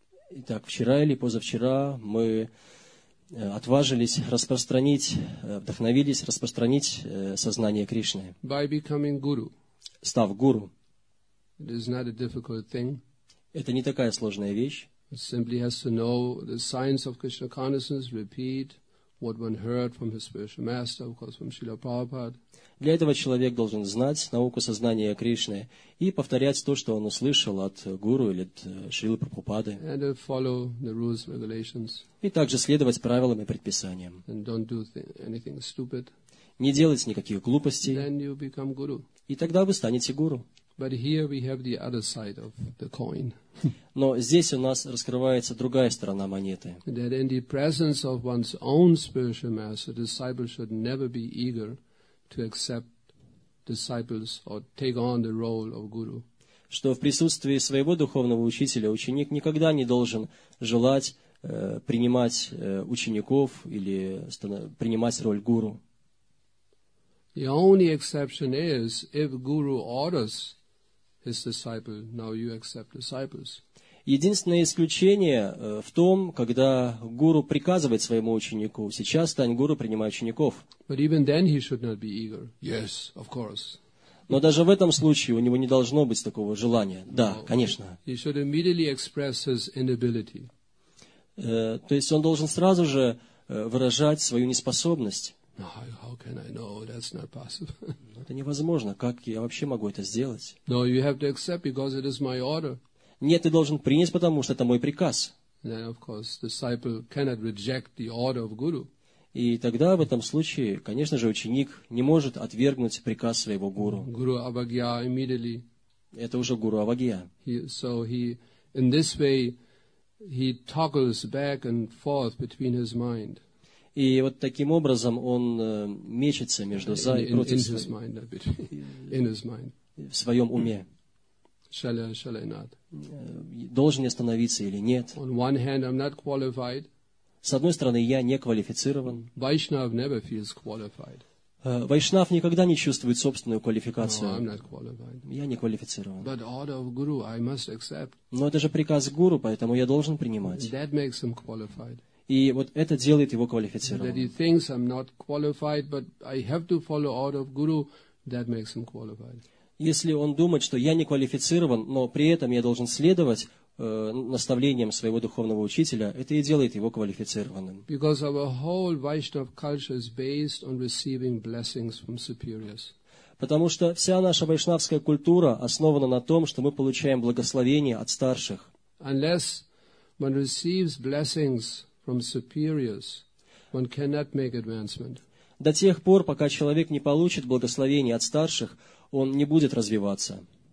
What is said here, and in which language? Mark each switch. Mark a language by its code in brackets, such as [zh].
[ru] Итак, вчера или позавчера мы отважились распространить, вдохновились распространить сознание Кришны. [en] By becoming guru. [ru] Став гуру. [en] It is not a difficult thing. [ru] Это не такая сложная вещь. [en] It simply has to know the science of Krishna consciousness, repeat what one heard from his spiritual master, of course, from Srila Prabhupada. [ru] Для этого человек должен знать науку сознания Кришны и повторять то, что он услышал от гуру или от Шрилы Прабхупады. [en] And follow the rules, regulations. [ru] И также следовать правилам и предписаниям. [en] And don't do anything stupid. [ru] Не делать никаких глупостей. [en] Then you become guru. [ru] И тогда вы станете гуру. [en] But here we have the other side of the coin. [ru] Но здесь у нас раскрывается другая сторона монеты. [en] That in the presence of one's own spiritual master, disciple should never be eager to accept disciples or take on the role of guru. [ru] Что в присутствии своего духовного учителя ученик никогда не должен желать принимать учеников или принимать роль гуру. [en] The only exception is if guru orders his disciple, now you accept disciples. [ru] Единственное исключение в том, когда гуру приказывает своему ученику: сейчас стань гуру, принимай учеников. [en] But even then he should not be eager. Yes, of course. [ru] Но даже в этом случае у него не должно быть такого желания. Да, [en] no, [ru] конечно. [en] He should immediately express his inability. [ru] То есть он должен сразу же выражать свою неспособность. [en] No, how can I know? That's not possible. [ru] Это невозможно. Как я вообще могу это сделать? [en] No, you have to accept because it is my order. [ru] Нет, ты должен принять, потому что это мой приказ. [en] Then, of course, disciple cannot reject the order of guru. [ru] И тогда в этом случае, конечно же, ученик не может отвергнуть приказ своего гуру. [en] Guru Avagya immediately. [ru] Это уже гуру Авагья. [en] So he, in this way, he toggles back and forth between his mind. [ru] И вот таким образом он мечется между за и против. [en] In his mind, in his mind. [ru] В своем уме. [en] Shall I not? [ru] Должен я остановиться или нет? [en] On one hand, I'm not qualified. [ru] С одной стороны, я не квалифицирован. [en] Vaishnav never feels qualified. [ru] Vaishnav никогда не чувствует собственную квалификацию. [en] No, I'm not qualified. [ru] Я не квалифицирован. [en] But order of guru, I must accept. [ru] Но это же приказ гуру, поэтому я должен принимать. [en] That makes him qualified. [ru] И вот это делает его квалифицированным. [en] That he thinks I'm not qualified, but I have to follow order of guru, that makes him qualified. [ru] Если он думает, что я не квалифицирован, но при этом я должен следовать наставлениям своего духовного учителя, это и делает его квалифицированным. [en] Because our whole Vaishnav culture is based on receiving blessings from superiors. [ru] Потому что вся наша вайшнавская культура основана на том, что мы получаем благословения от старших. [en] Unless one receives blessings from superiors, one cannot make advancement. [ru] До тех пор, пока человек не получит благословения от старших, он не будет развиваться.